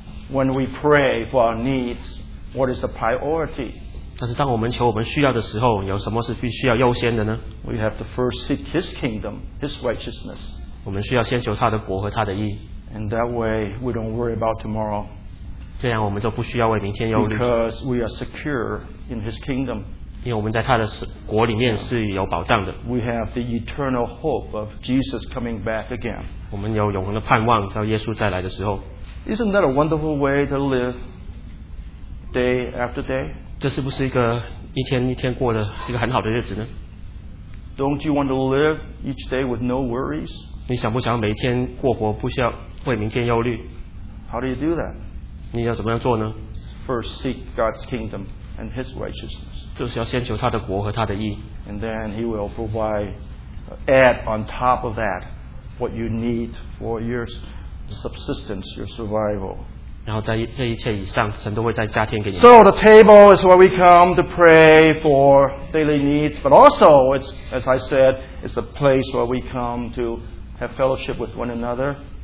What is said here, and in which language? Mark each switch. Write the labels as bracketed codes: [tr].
[en] when we pray for our needs, what is the priority? [zh] 但是当我们求我们需要的时候，有什么是必须要优先的呢？ [en] We have to first seek His kingdom, His righteousness. [zh] 我们需要先求他的国和他的义。 [en] And that way, we don't worry about tomorrow. [zh] 这样我们就不需要为明天忧虑。 [en] Because we are secure in His kingdom. [zh] 因为我们在他的国里面是有保障的。 [en] We have the eternal hope of Jesus coming back again. [zh] 我们有永恒的盼望，到耶稣再来的时候。 [en] Isn't that a wonderful way to live day after day? [zh] 这是不是一个一天一天过的是一个很好的日子呢？ [en] Don't you want to live each day with no worries? [zh] 你想不想每天过活不需要为明天忧虑？ [en] How do you do that? [zh] 你要怎么样做呢？ [en] First, seek God's kingdom and His righteousness. [zh] 就是要先求他的国和他的义。 [en] And then He will provide, add on top of that, what you need for years. Subsistence, your survival. [zh] 然后在这一切以上, [en] so the table is where we come to pray for daily needs, but also it's, as I said, it's a place where we come to have fellowship with one another.